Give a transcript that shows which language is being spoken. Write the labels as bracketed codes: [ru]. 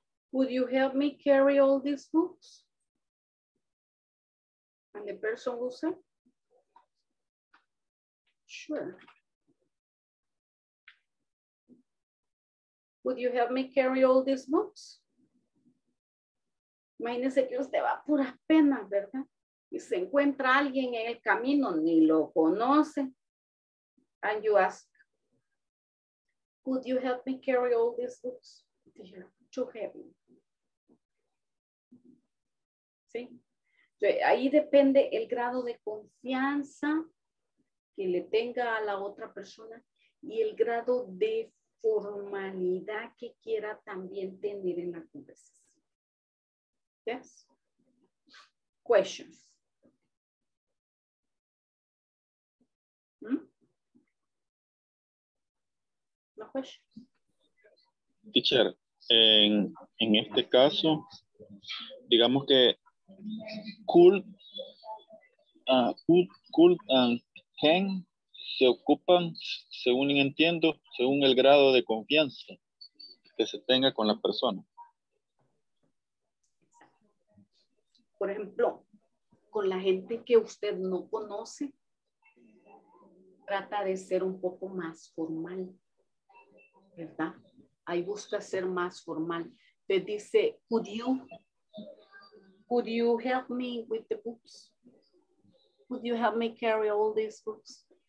[en] Would you help me carry all these books? And the person will say, Sure. Would you help me carry all these books? [es] Imagínese que usted va puras penas, ¿verdad? Y se encuentra alguien en el camino, ni lo conoce. [en] And you ask, could you help me carry all these books? Too heavy. [es] ¿Sí? Ahí depende el grado de confianza que le tenga a la otra persona y el grado de formalidad que quiera también tener en la conversación. [en] Yes. Questions. No questions. [es] Teacher, en este caso, digamos que [en] could and can [es] se ocupan, según entiendo, según el grado de confianza que se tenga con la persona. Por ejemplo, con la gente que usted no conoce, trata de ser un poco más formal, ¿verdad? Ahí busca ser más formal. Te dice, [en] could you help me with the books? Could you help me carry all these books?